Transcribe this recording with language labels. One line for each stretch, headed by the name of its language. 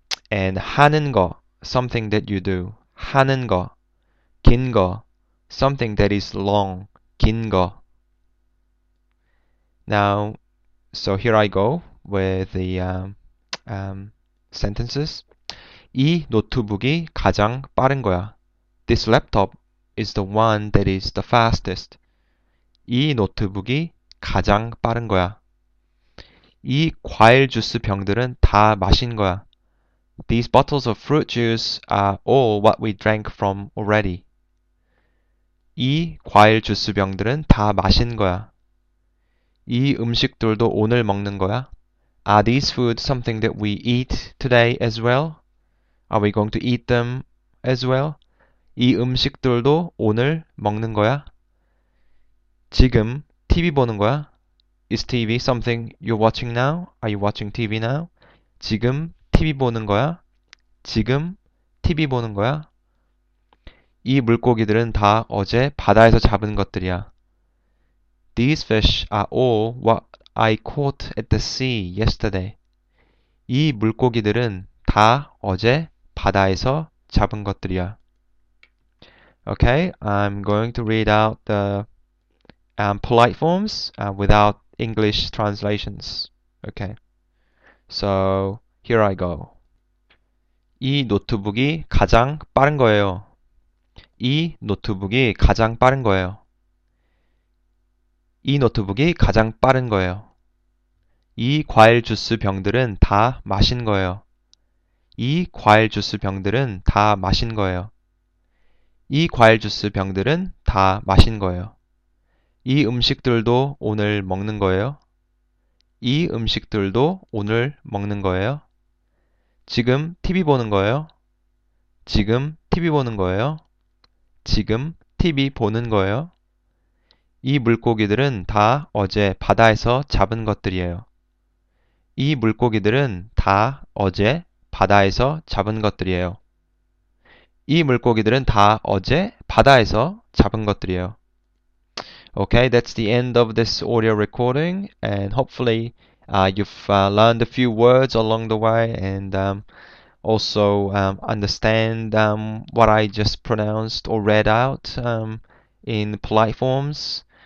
English: And
Korean: 하는 거,
English: something that you do.
Korean: 하는 거, 긴 거,
English: something that is long.
Korean: 긴 거.
English: Now, so here I go with the sentences.
Korean: 이 노트북이 가장 빠른 거야.
English: This laptop is the one that is the fastest.
Korean: 이 노트북이 가장 빠른 거야. 이 과일 주스 병들은 다 마신 거야.
English: These bottles of fruit juice are all what we drank from already.
Korean: 이 과일 주스 병들은 다 마신 거야. 이 음식들도 오늘 먹는 거야?
English: Are these food something that we eat today as well? Are we going to eat them as well?
Korean: 이 음식들도 오늘 먹는 거야? 지금 TV 보는 거야?
English: Is TV something you're watching now? Are you watching TV now?
Korean: 지금 TV 보는 거야? 지금 TV 보는 거야? 이 물고기들은 다 어제 바다에서 잡은 것들이야.
English: These fish are all what I caught at the sea yesterday.
Korean: 이 물고기들은 다 어제 바다에서 잡은 것들이야.
English: Okay, I'm going to read out the polite forms without English translations. Okay, so here I go.
Korean: 이 노트북이 가장 빠른 거예요. 이 노트북이 가장 빠른 거예요. 이 노트북이 가장 빠른 거예요. 이 과일 주스 병들은 다 마신 거예요. 이 과일 주스 병들은 다 마신 거예요. 이 과일 주스 병들은 다 마신 거예요. 이 음식들도 오늘 먹는 거예요. 이 음식들도 오늘 먹는 거예요. 지금 TV 보는 거예요. 지금 TV 보는 거예요. 지금 TV 보는 거예요. 이 물고기들은 다 어제 바다에서 잡은 것들이에요. 이 물고기들은 다 어제 바다에서 잡은 것들이에요. 이 물고기들은 다 어제 바다에서 잡은 것들이에요.
English: Okay, that's the end of this audio recording, and hopefully you've learned a few words along the way, and also understand what I just pronounced or read out in polite forms.